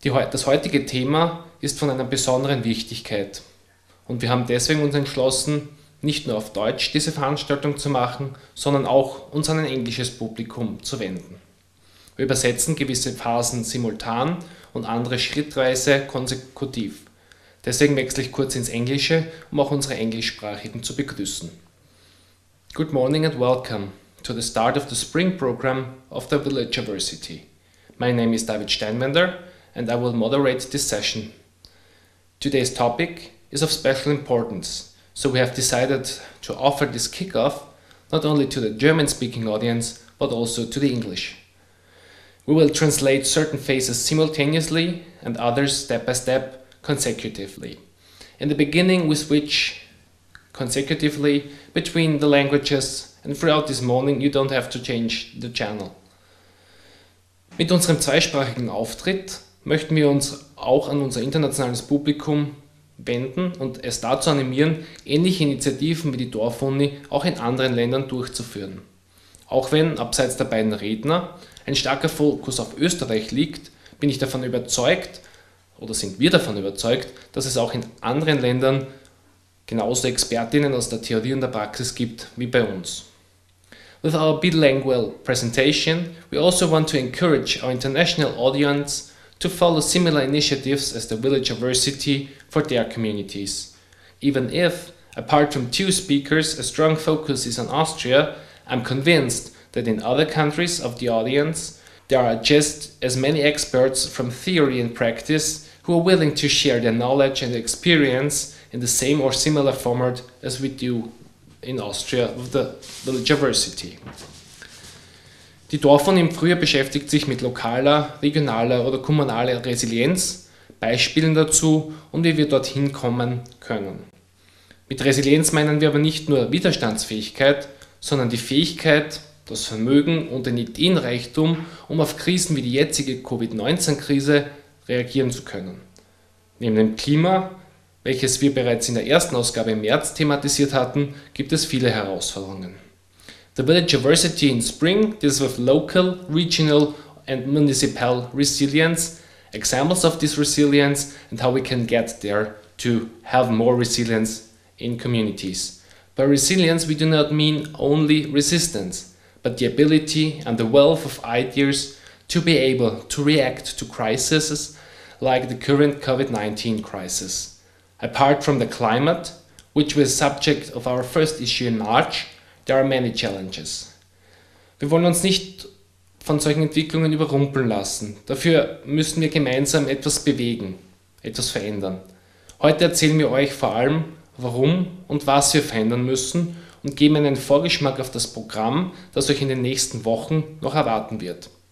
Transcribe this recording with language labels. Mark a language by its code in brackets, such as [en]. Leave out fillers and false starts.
[de] Das heutige Thema ist von einer besonderen Wichtigkeit und wir haben deswegen uns entschlossen, nicht nur auf Deutsch diese Veranstaltung zu machen, sondern auch uns an ein englisches Publikum zu wenden. Wir übersetzen gewisse Phasen simultan und andere schrittweise konsekutiv. Deswegen wechsle ich kurz ins Englische, um auch unsere Englischsprachigen zu begrüßen. [en] Good morning and welcome to the start of the spring program of the Village University. My name is David Steinwender and I will moderate this session. Today's topic is of special importance, so we have decided to offer this kickoff not only to the German-speaking audience, but also to the English. We will translate certain phases simultaneously and others step by step consecutively. In the beginning we switch consecutively between the languages and throughout this morning you don't have to change the channel. [de] Mit unserem zweisprachigen Auftritt möchten wir uns auch an unser internationales Publikum wenden und es dazu animieren, ähnliche Initiativen wie die DorfUni auch in anderen Ländern durchzuführen. Auch wenn, abseits der beiden Redner, ein starker Fokus auf Österreich liegt, bin ich davon überzeugt, oder sind wir davon überzeugt, dass es auch in anderen Ländern genauso Expertinnen aus der Theorie und der Praxis gibt wie bei uns. [en] With our bilingual presentation, we also want to encourage our international audience to follow similar initiatives as the Village University for their communities. Even if, apart from two speakers, a strong focus is on Austria, I'm convinced that in other countries of the audience, there are just as many experts from theory and practice who are willing to share their knowledge and experience in the same or similar format as we do in Austria with the Village University. [de] Die DorfUni im Frühjahr beschäftigt sich mit lokaler, regionaler oder kommunaler Resilienz, Beispielen dazu und wie wir dorthin kommen können. Mit Resilienz meinen wir aber nicht nur Widerstandsfähigkeit, sondern die Fähigkeit, das Vermögen und den Ideenreichtum, um auf Krisen wie die jetzige Covid-19-Krise reagieren zu können. Neben dem Klima, welches wir bereits in der ersten Ausgabe im März thematisiert hatten, gibt es viele Herausforderungen. [en] The Village University in Spring deals with local, regional and municipal resilience, examples of this resilience and how we can get there to have more resilience in communities. By resilience we do not mean only resistance, but the ability and the wealth of ideas to be able to react to crises like the current COVID-19 crisis. Apart from the climate, which was subject of our first issue in March, there are many challenges. [de] Wir wollen uns nicht von solchen Entwicklungen überrumpeln lassen. Dafür müssen wir gemeinsam etwas bewegen, etwas verändern. Heute erzählen wir euch vor allem, warum und was wir verändern müssen und geben einen Vorgeschmack auf das Programm, das euch in den nächsten Wochen noch erwarten wird.